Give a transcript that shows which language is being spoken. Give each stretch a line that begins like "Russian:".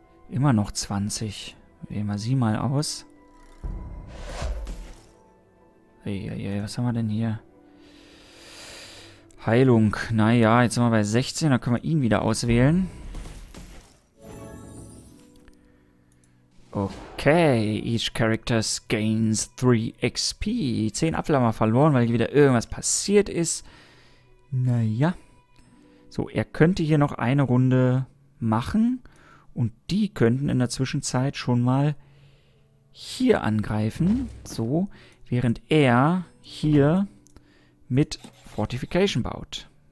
German: Immer noch 20. Wählen wir sie mal aus. Eieiei, was haben wir denn hier? Heilung. Naja, jetzt sind wir bei 16. Da können wir ihn wieder auswählen. Okay.
English: Each character gains 3 XP.
German: 10 Apfel haben wir verloren, weil hier wieder irgendwas passiert ist. Naja. So, er könnte hier noch eine Runde machen. Und die könnten in der Zwischenzeit schon mal hier angreifen. So. Während er hier mit Fortification baut.